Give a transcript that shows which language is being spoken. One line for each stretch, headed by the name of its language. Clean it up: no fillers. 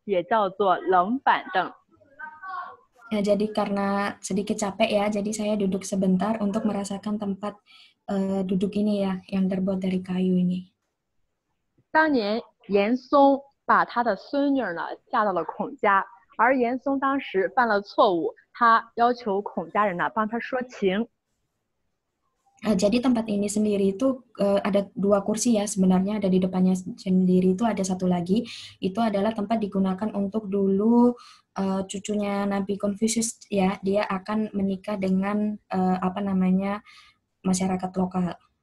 Chinese: 走了一路呢，有点累哈，大家呢可以在这个板凳这块坐一下。那这个板凳呢，叫做阁老凳，也叫做冷板凳。
Indonesian: Jadi karena sedikit capek ya, jadi saya duduk sebentar untuk merasakan tempat duduk ini ya, yang terbuat dari kayu ini.
Chinese: 当年严嵩把他的孙女呢嫁到了孔家，而严嵩当时犯了错误，他要求孔家人呢帮他说情。
Indonesian: Jadi tempat ini sendiri itu ada dua kursi ya sebenarnya, ada di depannya sendiri itu ada satu lagi. Itu adalah tempat digunakan untuk dulu cucunya Nabi Konfusius ya, dia akan menikah dengan apa namanya masyarakat lokal.